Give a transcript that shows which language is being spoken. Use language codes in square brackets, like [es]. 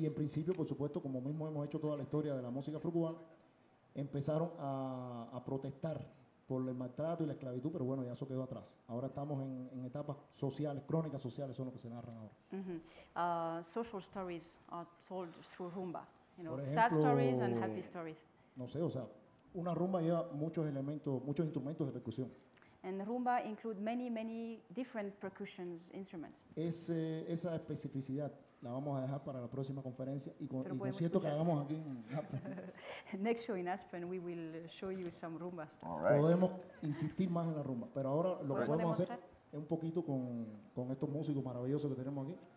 [es] Y en principio, por supuesto, como mismo hemos hecho toda la historia de la música afrocubana, empezaron a protestar por el maltrato y la esclavitud, pero bueno, ya eso quedó atrás. Ahora estamos en etapas sociales, crónicas sociales son lo que se narran ahora. [en] Mm-hmm. Social stories are told through rumba. You know, [es] ejemplo, [en] sad stories and happy stories. [es] No sé, o sea, una rumba lleva muchos elementos, muchos instrumentos de percusión. [en] And rumba include many, many different percussion instruments. [es] Esa especificidad la vamos a dejar para la próxima conferencia y concierto que hagamos aquí en Aspen. [en] Next show in Aspen, we will show you some rumba stuff. All right. [es] Podemos insistir más en la rumba, pero ahora lo que podemos hacer es un poquito con estos músicos maravillosos que tenemos aquí.